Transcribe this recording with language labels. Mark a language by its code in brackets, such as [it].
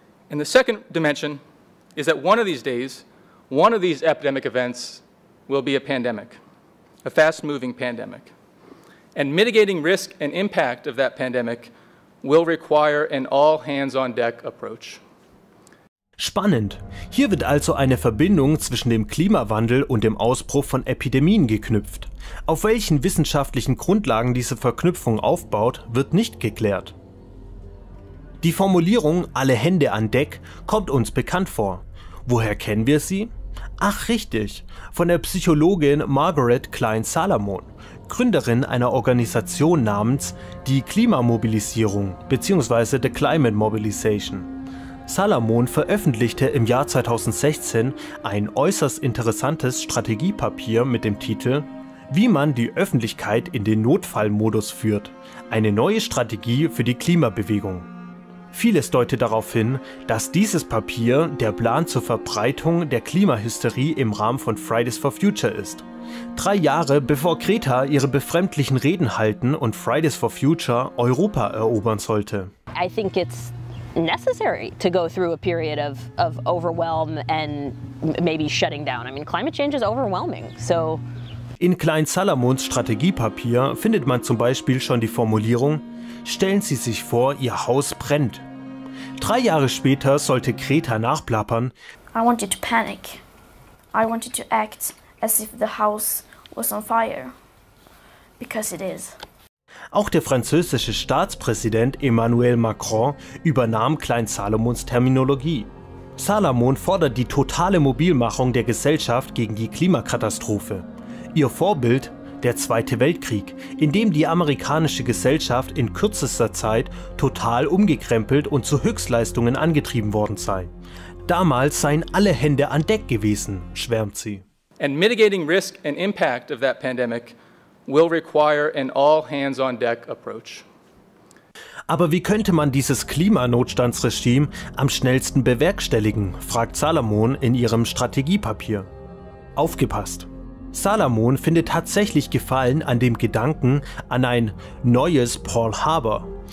[en] And the second dimension is that one of these days, one of these epidemic events will be a pandemic, a fast-moving pandemic. And mitigating risk and impact of that pandemic will require an all-hands-on-deck approach. [de] Spannend. Hier wird also eine Verbindung zwischen dem Klimawandel und dem Ausbruch von Epidemien geknüpft. Auf welchen wissenschaftlichen Grundlagen diese Verknüpfung aufbaut, wird nicht geklärt. Die Formulierung "alle Hände an Deck" kommt uns bekannt vor. Woher kennen wir sie? Ach richtig, von der Psychologin Margaret Klein-Salamon, Gründerin einer Organisation namens die Klimamobilisierung bzw. The Climate Mobilization. Salamon veröffentlichte im Jahr 2016 ein äußerst interessantes Strategiepapier mit dem Titel "Wie man die Öffentlichkeit in den Notfallmodus führt – eine neue Strategie für die Klimabewegung". Vieles deutet darauf hin, dass dieses Papier der Plan zur Verbreitung der Klimahysterie im Rahmen von Fridays for Future ist. 3 Jahre bevor Greta ihre befremdlichen Reden halten und Fridays for Future Europa erobern sollte. [en] I think it's necessary to go through a period of overwhelm and maybe shutting down. I mean, climate change is overwhelming, so. [de] In Klein-Salamons Strategiepapier findet man zum Beispiel schon die Formulierung: Stellen Sie sich vor, Ihr Haus brennt. 3 Jahre später sollte Greta nachplappern: [en] I want you to panic. I want you to act as if the house was on fire. Because it is. [de] Auch der französische Staatspräsident Emmanuel Macron übernahm Klein-Salamons Terminologie. Salamon fordert die totale Mobilmachung der Gesellschaft gegen die Klimakatastrophe. Ihr Vorbild: Der Zweite Weltkrieg, in dem die amerikanische Gesellschaft in kürzester Zeit total umgekrempelt und zu Höchstleistungen angetrieben worden sei. Damals seien alle Hände an Deck gewesen, schwärmt sie. [en] And mitigating risk and impact of that pandemic will require an all-hands-on-deck approach. [de] Aber wie könnte man dieses Klimanotstandsregime am schnellsten bewerkstelligen, fragt Salamon in ihrem Strategiepapier. Aufgepasst! Salamon findet tatsächlich Gefallen an dem Gedanken an ein neues Pearl Harbor.